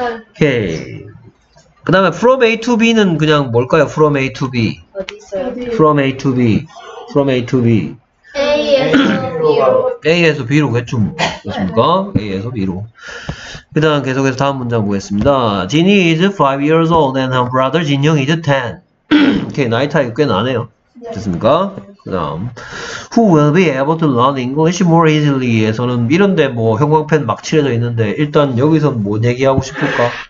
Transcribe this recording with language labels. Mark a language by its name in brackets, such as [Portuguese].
[Korean] 오케이. 그 다음에 [English] From A to B는 [Korean] 그냥 뭘까요? [English] From A to B. [Korean] 어디있어요? [English] From A to B. From A to B. [Korean] A에서 B로. A에서 B로 겠죠 뭐. 그렇습니까? A에서 B로. 그 다음 계속해서 다음 문장 보겠습니다. [English] Jin is 5 years old and her brother Jin Young is 10. [Korean] 오케이, 나이 차이가 꽤 나네요. 됐습니까? 그 다음 [English] Who will be able to learn English more easily? [Korean] 에서는 이런데 뭐 형광펜 막 칠해져 있는데 일단 여기선 뭔 얘기하고 싶을까?